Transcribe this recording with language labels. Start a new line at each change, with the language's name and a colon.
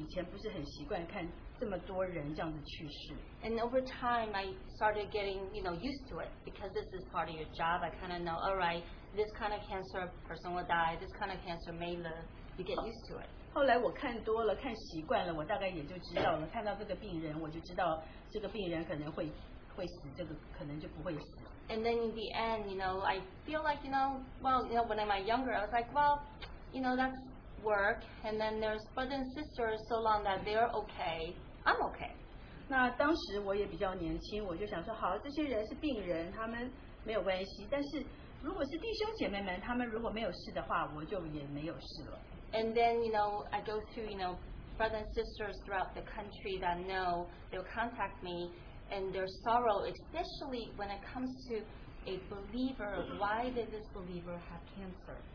Chinese: 那在我的职业里面，我就是以前不是很习惯看这么多人这样子去世。
English: And over time, I started getting, you know, used to it because this is part of your job. I kind of know, all right, this kind of cancer person will die, this kind of cancer may live. You get used to it.
Chinese: 后来我看多了，看习惯了，我大概也就知道了。看到这个病人，我就知道这个病人可能会死，这个可能就不会死。
English: And then in the end, you know, I feel like, you know, well, you know, when am I younger? I was like, well, you know, that's work, and then there's brothers and sisters so long that they're okay, I'm okay.
Chinese: 那当时我也比较年轻，我就想说，好，这些人是病人，他们没有关系。但是如果是弟兄姐妹们，他们如果没有事的话，我就也没有事了。
English: And then, you know, I go through, you know, brothers and sisters throughout the country that know, they'll contact me, and their sorrow, especially when it comes to a believer, why did this believer have cancer?